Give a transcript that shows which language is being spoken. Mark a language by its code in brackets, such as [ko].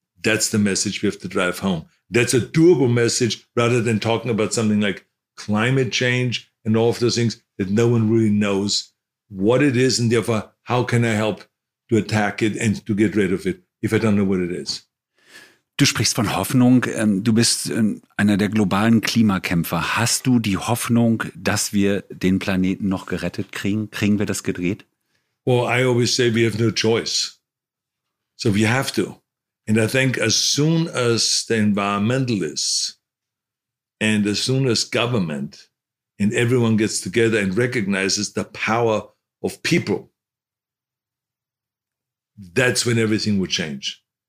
[en] That's the message we have to drive home. That's a doable message rather than talking about something like climate change and all of those things that no one really knows what it is, and therefore, how can I help to attack it and to get rid of it if I don't know what it is? [de] Du sprichst von Hoffnung. Du bist einer der globalen Klimakämpfer. Hast du die Hoffnung, dass wir den Planeten noch gerettet kriegen? Kriegen wir das gedreht? [en] Well, I always say we have no choice. So we have to. And I think as soon as the environmentalists and as soon as government and everyone gets together and recognizes the power of people, that's when everything will change.